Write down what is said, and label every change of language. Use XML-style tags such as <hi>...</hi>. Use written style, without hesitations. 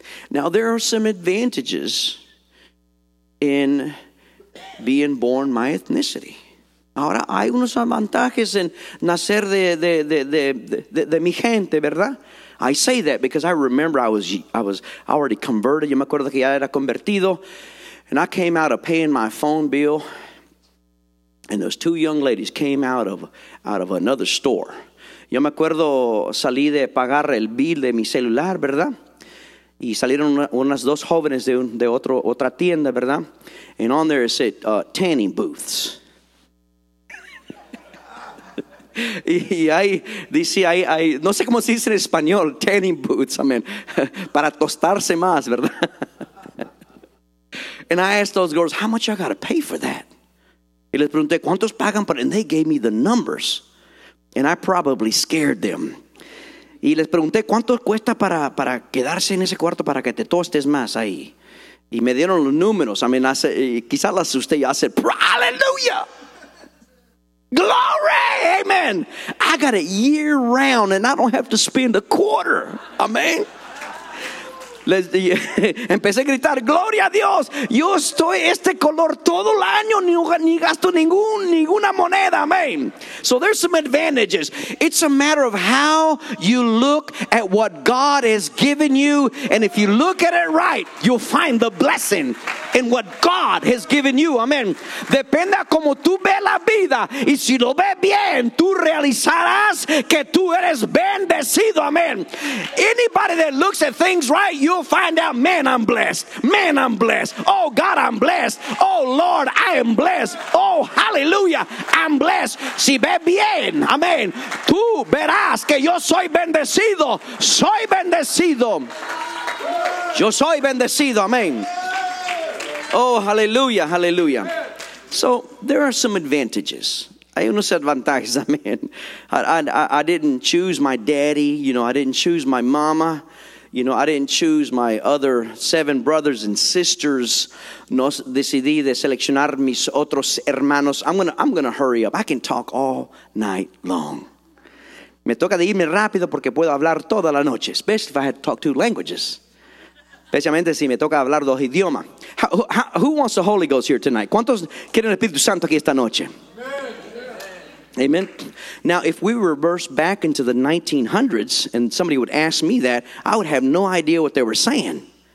<en>Now, there are some advantages in being born my ethnicity.</en> <es>Ahora hay unos avantajes en nacer de mi gente, ¿verdad?</es> <en>I say that because I remember I was already converted.</en> <es>Yo me acuerdo que ya era convertido.</es> <en>And I came out of paying my phone bill. And those two young ladies came out of another store.</en> <es>Yo me acuerdo salí de pagar el bill de mi celular, ¿verdad? Y salieron unas dos jóvenes de otra tienda, ¿verdad?</es> <en>And on there it said tanning booths.</en> <es>Y ahí dice ahí no sé cómo se dice en español tanning booths, amén, para tostarse más, ¿verdad?</es> <en>And I asked those girls, how much I got to pay for that?</en> <es>Y les pregunté cuántos pagan,</es> <en>and they gave me the numbers, and I probably scared them.</en> <es>Y les pregunté cuánto cuesta para quedarse en ese cuarto para que te tostes más ahí, y me dieron los números, amén, quizás las asusté, y</es> <en>I said, hallelujah. Glory, amen. I got it year round and I don't have to spend a quarter.</en> <es>Amen. Empecé a gritar, gloria a Dios. Yo estoy este color todo el año, ni gasto ninguna moneda.</es> <en>Amen. So there's some advantages. It's a matter of how you look at what God has given you. And if you look at it right, you'll find the blessing in what God has given you.</en> <es>Amen. Depende a cómo tú ves la vida. Y si lo ves bien, tú realizarás que tú eres bendecido. Amen.</es> <en>Anybody that looks at things right, you'll find out, man, I'm blessed. Man, I'm blessed. Oh, God, I'm blessed. Oh, Lord, I am blessed. Oh, hallelujah, I'm blessed.</en> <es>Si ves bien,</es> <en>amen.</en> <es>Tú verás que yo soy bendecido. Soy bendecido. Yo soy bendecido. Amen. Oh, hallelujah, hallelujah.</es> <en>So there are some advantages.</en> <es>Hay unos advantages,</es> <en>amen. I didn't choose my daddy. You know, I didn't choose my mama. You know, I didn't choose my other seven brothers and sisters.</en> <es>No decidí de seleccionar mis otros hermanos.</es> <en>I'm gonna hurry up. I can talk all night long.</en> <es>Me toca de irme rápido porque puedo hablar toda la noche.</es> <en>Especially if I had to talk two languages.</en> <es>Especialmente si me toca hablar dos idiomas.</es> <en>Who wants the Holy Ghost here tonight?</en> <es>¿Cuántos quieren el Espíritu Santo aquí esta noche? Amen.</es> <en>Now, if we reverse back into the 1900s and somebody would ask me that, I would have no idea what they were saying.</en>